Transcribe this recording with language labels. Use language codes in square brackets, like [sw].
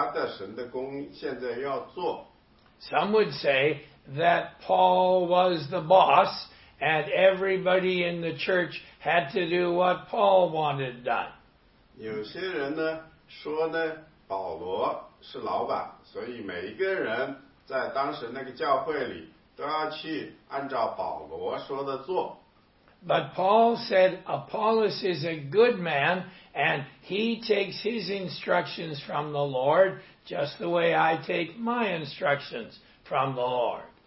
[zh] 因为保罗这是基本上说的，保罗有一颗很大的宽容的心。尽管呢，他对那不同的阵营的、不同的跟随的人，他也是同样的爱的。他跟他们说，我叫那个亚波罗也到你们那里去，但是他现在不能去，他有其他的神的工现在要做。 [en] Some would say that Paul was the boss, and everybody in the church had to do what Paul wanted done. [zh] 有些人呢，说呢，保罗是老板，所以每一个人在当时那个教会里都要去按照保罗说的做。 [en] But Paul said Apollos is a good man, and he takes his instructions from the Lord just the way I take my instructions from the Lord.